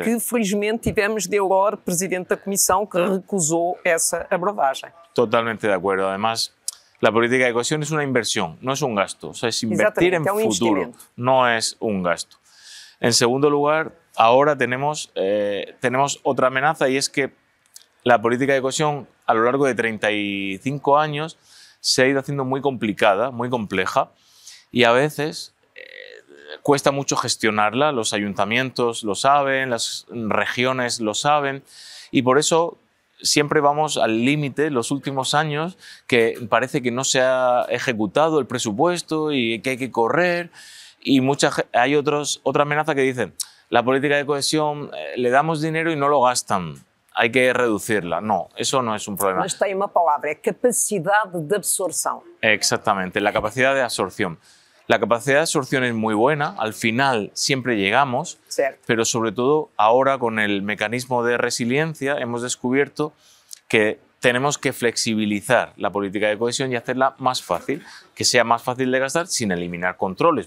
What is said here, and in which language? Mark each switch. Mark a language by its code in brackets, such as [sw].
[pt] E que, felizmente, tivemos Delors, presidente da Comissão, que recusou essa abordagem. Totalmente de acordo. Además, a política de coesão é uma inversão, não é um gasto. Ou seja, é investir em futuro, não é um gasto. Em segundo lugar, agora temos outra ameaça, e é que a política de coesão, [es] a lo largo de 35 anos, se ha ido haciendo muy complicada, muy compleja, y a veces cuesta mucho gestionarla. Los ayuntamientos lo saben, las regiones lo saben, y por eso siempre vamos al límite los últimos años, que parece que no se ha ejecutado el presupuesto y que hay que correr. Y hay otra amenaza que dicen, la política de cohesión, le damos dinero y no lo gastan. Hay que reducirla. No, eso no es un problema. [pt] Mas tem uma palavra, é capacidade de absorção. [es] Exactamente, la capacidad de absorción. La capacidad de absorción es muy buena, al final siempre llegamos, [pt] certo, [es] pero sobre todo ahora con el mecanismo de resiliencia hemos descubierto que tenemos que flexibilizar la política de cohesión y hacerla más fácil, que sea más fácil de gastar sin eliminar controles.